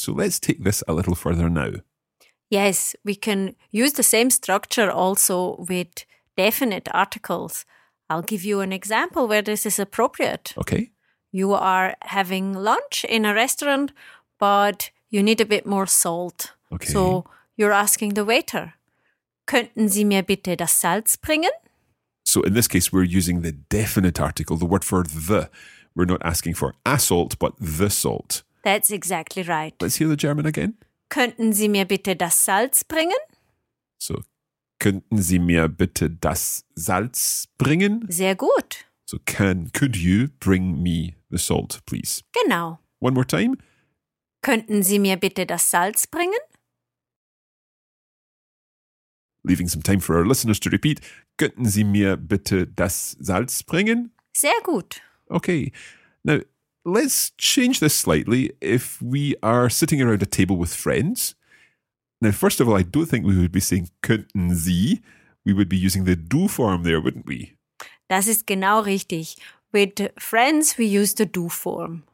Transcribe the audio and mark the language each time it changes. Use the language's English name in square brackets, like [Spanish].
[English] So let's take this a little further now. Yes, we can use the same structure also with definite articles. I'll give you an example where this is appropriate. Okay. You are having lunch in a restaurant, but you need a bit more salt. Okay. So you're asking the waiter, [German] könnten Sie mir bitte das Salz bringen? [English] So in this case, we're using the definite article, the word for the. We're not asking for a salt, but the salt. That's exactly right. Let's hear the German again. [German] Könnten Sie mir bitte das Salz bringen? So, könnten Sie mir bitte das Salz bringen? Sehr gut. [English] So, could you bring me the salt, please? [German] Genau. [English] One more time. [German] Könnten Sie mir bitte das Salz bringen? [English] Leaving some time for our listeners to repeat. [German] Könnten Sie mir bitte das Salz bringen? Sehr gut. [English] Okay. Now, let's change this slightly. If we are sitting around a table with friends, now, first of all, I don't think we would be saying [German] könnten Sie. [English] We would be using the du form there, wouldn't we? [German] Das ist genau richtig. [English] With friends, we use the du form.